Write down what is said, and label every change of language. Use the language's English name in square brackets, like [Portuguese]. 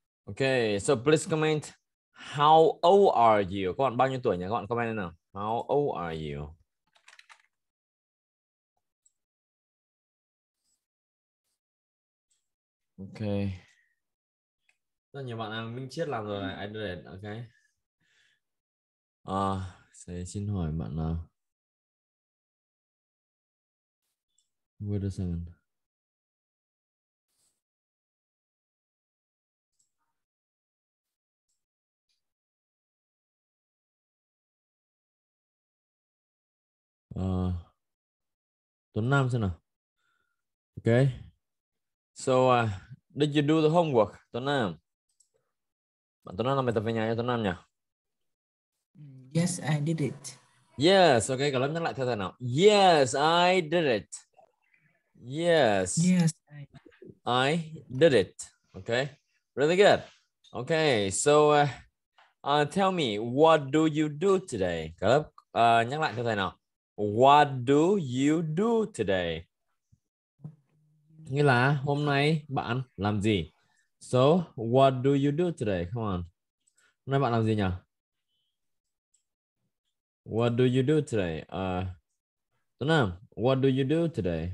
[English] Okay, so please comment how old are you? [Vietnamese] Các bạn bao nhiêu tuổi nhỉ? Các bạn comment nào. [English] How old are you? [Vietnamese] Okay. Rất nhiều bạn đang minh chiết làm rồi này. [English] I did it, okay. [Vietnamese] Thầy xin hỏi bạn nào. [English] Wait a second. [Vietnamese] Tuấn Nam xem nào. Okay. [English] So, did you do the homework, Tuấn Nam? [Vietnamese] Bạn Tuấn Nam làm bài tập về nhà cho Tuấn Nam nhỉ? [English] Yes, I did it. [Vietnamese] Yes, okay, cậu lắm nhắc lại theo thầy nào. [English] Yes, I did it. Yes. Yes. I did it. Okay. Really good. Okay. So, tell me, what do you do today? Caleb, [Vietnamese] nhắc lại cho thầy nào. [English] What do you do today? [Vietnamese] Nghĩa là hôm nay bạn làm gì? [English] So, what do you do today? Come on. [Vietnamese] Hôm nay bạn làm gì nhỉ? [English] What do you do today? Tuấn Nam, what do you do today?